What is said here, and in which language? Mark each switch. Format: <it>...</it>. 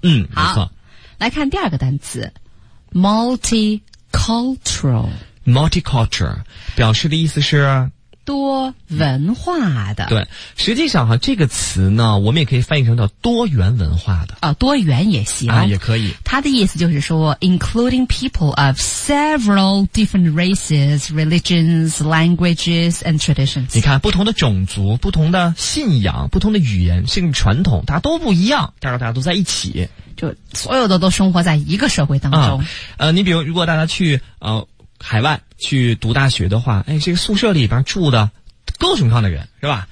<zh>没错。来看第二个单词 ,multicultural。 multicultural, 表示的意思是多文化的。对，实际上哈，这个词呢我们也可以翻译成叫多元文化的啊，多元也行啊，也可以。它的意思就是说</zh> <en>including people of several different races, religions, languages and traditions。</en> <zh>你看，不同的种族、不同的信仰、不同的语言甚至传统，大家都不一样，但是大家都在一起，就所有的都生活在一个社会当中。你比如如果大家去海外去读大学的话，这个宿舍里边住的各种各样的人，是吧？</zh>